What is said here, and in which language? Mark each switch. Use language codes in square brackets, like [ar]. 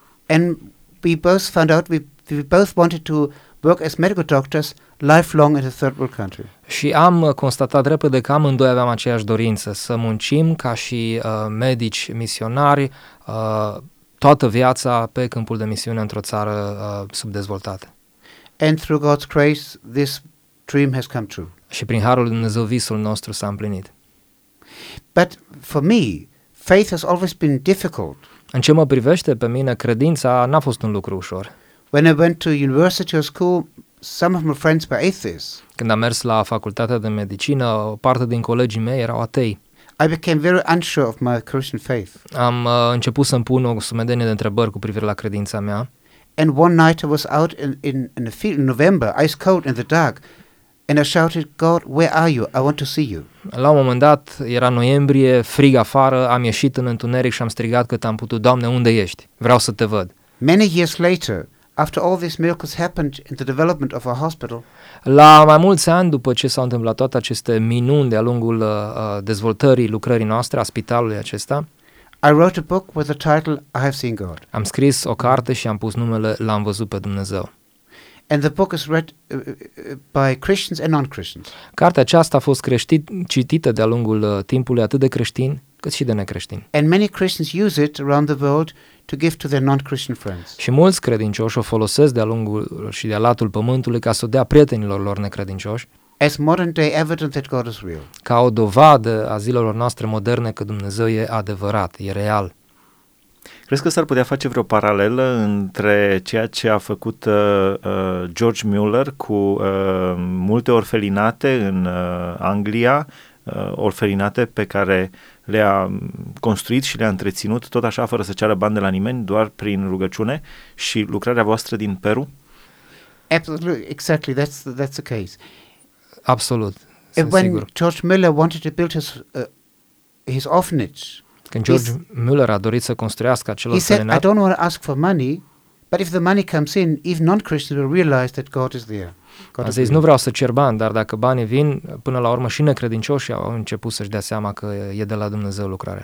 [en] And we both found out we both wanted to work as medical doctors lifelong in a third world country. [ro] Și am constatat repede că amândoi aveam aceeași dorință să muncim ca și medici misionari toată viața pe câmpul de misiune într-o țară subdezvoltată. [en] And through God's grace this dream has come true. [ro] Și prin harul Dumnezeu visul nostru s-a împlinit. [en] But for me faith has always been difficult. [ro] În ce mă privește pe mine credința n-a fost un lucru ușor. [en] When I went to university or school, some of my friends were atheists. [ro] Când am mers la facultatea de medicină, o parte din colegii mei erau atei. [en] I became very unsure of my Christian faith. [ro] Am început să-mi pun o sumedenie de întrebări cu privire la credința mea. [en] And one night I was out in the field in November, ice cold in the dark, and I shouted, God, where are you? I want to see you. [ro] La un moment dat, era noiembrie, frig afară, am ieșit în întuneric și am strigat cât am putut, Doamne, unde ești? Vreau să te văd. [en] Many years later, after all these miracles happened in the development of our hospital, [ro] la mai mulți ani după ce s-au întâmplat toate aceste minuni de-a lungul dezvoltării lucrării noastre a spitalului acesta, [en] I wrote a book with the title I Have Seen God. [ro] Am scris o carte și am pus numele L-am văzut pe Dumnezeu. [en] And the book is read by Christians and non-Christians. [ro] Cartea aceasta a fost citită de-a lungul timpului atât de creștini cât și de necreștini. [en] And many Christians use it around the world to give to their non-Christian friends. [ro] Și mulți credincioși o folosesc de-a lungul și de-a latul pământului ca să o dea prietenilor lor necredincioși. [en] As modern day evidence that God is real. [ro] Ca o dovadă a zilelor noastre moderne că Dumnezeu e adevărat, e real. Crezi că s-ar putea face vreo paralelă între ceea ce a făcut George Mueller cu multe orfelinate în Anglia, orfelinate pe care le-a construit și le-a întreținut, tot așa, fără să ceară bani de la nimeni, doar prin rugăciune, și lucrarea voastră din Peru? [en] Absolutely, exactly, that's the case. [ro] Absolut, [en] and [ro] sunt [en] when [ro] sigur. [en] George Mueller wanted to build his orphanage, [ro] când George Mueller a dorit să construiască acel orfelinat, [en] he said, I don't want to ask for money, but if the money comes in, even non-Christians will realize that God is there. [ro] A zis, nu vreau să cer bani, dar dacă banii vin, până la urmă și necredincioșii au început să-și dea seama că e de la Dumnezeu lucrarea.